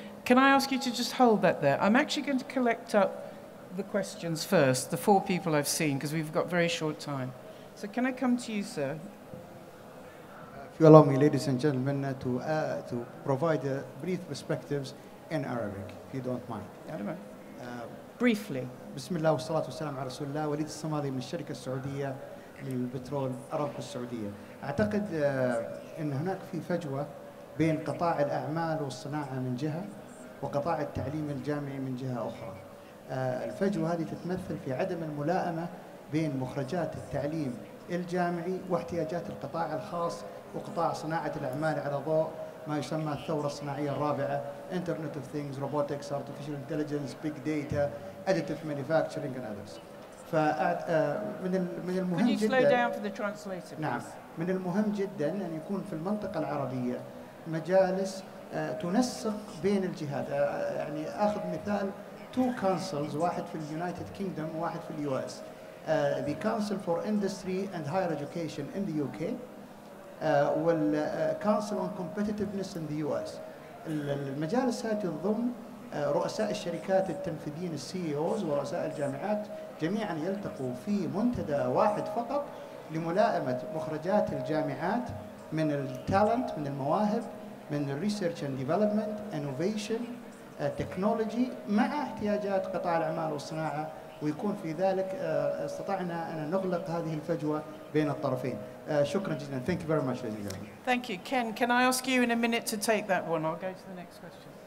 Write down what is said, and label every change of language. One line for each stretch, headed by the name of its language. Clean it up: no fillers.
English: Can I ask you to just hold that there? I'm actually going to collect up the questions first, the four people I've seen, because we've got very short time. So can I come to you, sir? If you allow me, ladies and gentlemen, to provide brief perspectives in Arabic, if you don't mind. Briefly.
Arabic: بسم الله والصلاة والسلام على رسول الله وليد الصمالي من الشركة السعودية للبترول أرامكو السعودية. أعتقد أن هناك في فجوة بين قطاع الأعمال والصناعة من جهة وقطاع التعليم الجامعي من جهة أخرى. الفجوة هذه تتمثل في عدم الملائمة بين مخرجات التعليم الجامعي واحتياجات القطاع الخاص وقطاع صناعة الأعمال على ضوء ما يسمى الثورة الصناعية الرابعة
English: Internet of Things, Robotics, Artificial Intelligence, Big Data, Additive Manufacturing and others.
Arabic: من المهم جدا.
English: Can you slow down for the translator, please?
Arabic: نعم. من المهم جدا أن يكون في المنطقة العربية مجالس تنسق بين الجهات. يعني أخذ مثال
English: two councils,
Arabic: واحد في United Kingdom وواحد في US.
English: The Council for Industry and Higher Education in the UK
Arabic: وال
English: Council on Competitiveness in the US.
Arabic: المجالس هذه تضم رؤساء الشركات التنفيذيين CEOs ورؤساء الجامعات جميعا يلتقوا في منتدى واحد فقط لملائمة مخرجات الجامعات من التالنت من المواهب من
English: الريسيرش and development innovation technology
Arabic: مع احتياجات قطاع الأعمال والصناعة ويكون في ذلك استطعنا أن نغلق هذه الفجوة بين الطرفين. شكرا جزيلا.
English: Thank you very much. Thank you. Ken, can I ask you in a minute to take that one? I'll go to the next question.